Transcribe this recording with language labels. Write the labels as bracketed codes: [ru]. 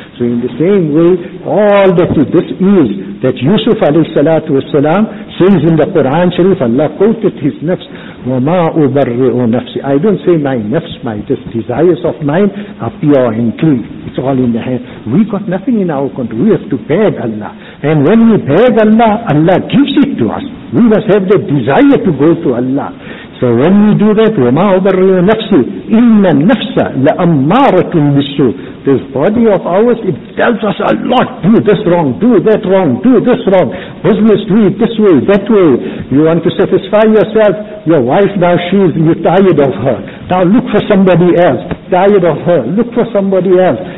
[en] So in the same way, all that this is, that Yusuf alayhi salatu wasalam says in the Quran Sharif, Allah quoted his nafs, [ar] وَمَا أُبَرِّئُ نَفْسِ. [en] I don't say my nafs, my desires of mine are pure and clean. It's all in the hand. We got nothing in our control. We have to beg Allah. And when we beg Allah, Allah gives it to us. We must have the desire to go to Allah. So when we do that, [ar] وَمَا أُبَرِّئُ نَفْسِ إِنَّ النَّفْسَ لَأَمَّارَةٌ بِالسُّوءِ. [en] This body of ours, it tells us a lot. Do this wrong, do that wrong, do this wrong. Business, do it this way, that way. You want to satisfy yourself, your wife now, you're tired of her. Now look for somebody else. Tired of her, look for somebody else.